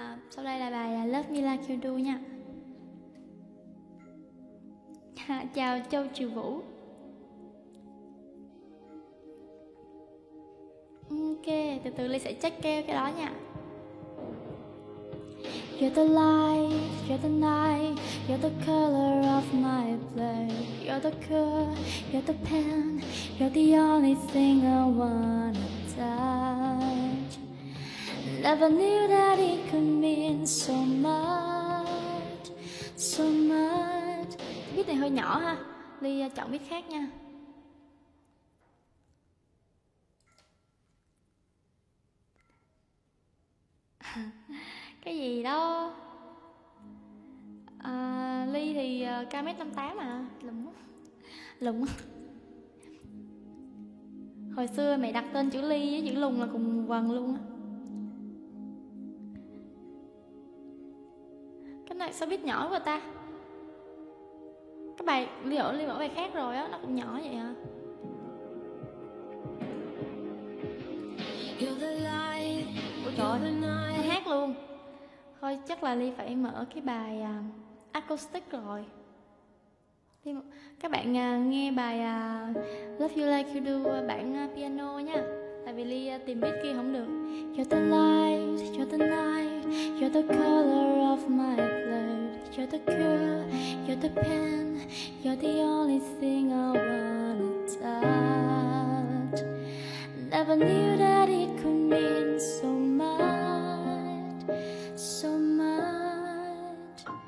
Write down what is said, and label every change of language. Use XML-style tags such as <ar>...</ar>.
<vi>Sau đây là bài Love Me Like You Do nha. Chào Châu Triều Vũ. Ok, từ từ Ly sẽ check cái đó nha.</vi> <en>You're the light, you're the night, you're the color of my blood. You're the cure, you're the pain, you're the only thing I wanna touch. Never knew that it could mean so much, so much.</en> <vi>Beat này hơi nhỏ ha, Ly chọn beat khác nha. Cái gì đó, Ly thì cao 1m58 mà, lùng. Hồi xưa mày đặt tên chữ Ly với chữ lùng là cùng quần luôn á. Cái này sao biết nhỏ quá ta? Cái bài liệu Ly bỏ bài khác rồi á, nó cũng nhỏ vậy hả?</vi> <en>You're the light.</en> <vi>Ủa trời, nó hát luôn. Thôi chắc là Ly phải mở cái bài acoustic rồi. Các bạn nghe bài Love You Like You Do bản piano nha. Tại vì Ly tìm beat kia không được.</vi> <en>You're the light, you're the night, you're the color of my blood. You're the cure, you're the pain, you're the only thing I wanna touch. Never knew that it could mean so much, so much.</en>